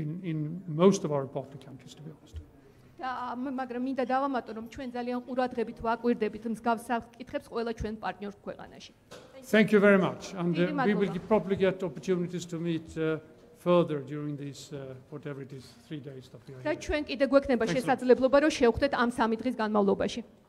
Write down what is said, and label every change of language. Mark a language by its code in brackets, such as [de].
[en] In most of our partner countries, to be honest. [ka] Da, მაგრამ მინდა დავამატო, რომ ჩვენ ძალიან ყურადღებით ვაკვირდებით მსგავს საკითხებს ყველა ჩვენ პარტნიორ ქვეყანაში. [en] Thank you very much, and we will probably get opportunities to meet further during this whatever it is 3 days that we are here. [ka] Და ჩვენ კიდე გვექნება შესაძლებლობა, რომ შევხვდეთ ამ სამი დღის განმავლობაში.